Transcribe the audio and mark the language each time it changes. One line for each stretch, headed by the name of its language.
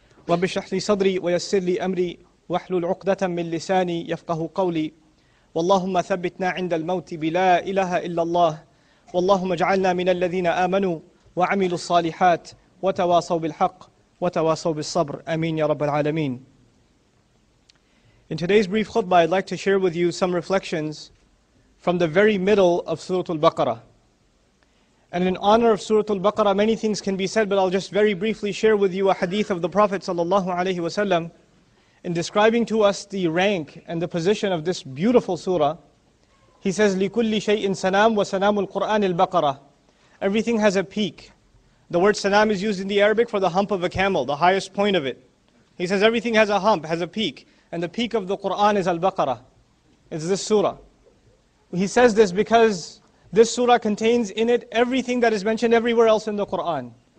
Arabic: رب اشرح لي صدري ويسر لي أمري واحلل عقدة من لساني يفقه قولي واللهم ثبتنا عند الموت بلا إله إلا الله واللهم اجعلنا من الذين آمنوا وعملوا الصالحات وتواصوا بالحق وتواصوا بالصبر أمين يا رب العالمين.
English: In today's brief khutbah, I'd like to share with you some reflections from the very middle of Surah Al-Baqarah. And in honor of Surah Al-Baqarah, many things can be said, but I'll just very briefly share with you a hadith of the Prophet sallallahu alaihi wasallam in describing to us the rank and the position of this beautiful surah. He says,
Arabic: لِكُلِّ شَيْءٍ سَنَامُ وَسَنَامُ الْقُرْآنِ الْبَقَرَةِ.
English: Everything has a peak. The word sanam is used in the Arabic for the hump of a camel, the highest point of it. He says everything has a hump, has a peak. And the peak of the Qur'an is Al-Baqarah. It's this surah. He says this because this surah contains in it everything that is mentioned everywhere else in the Qur'an.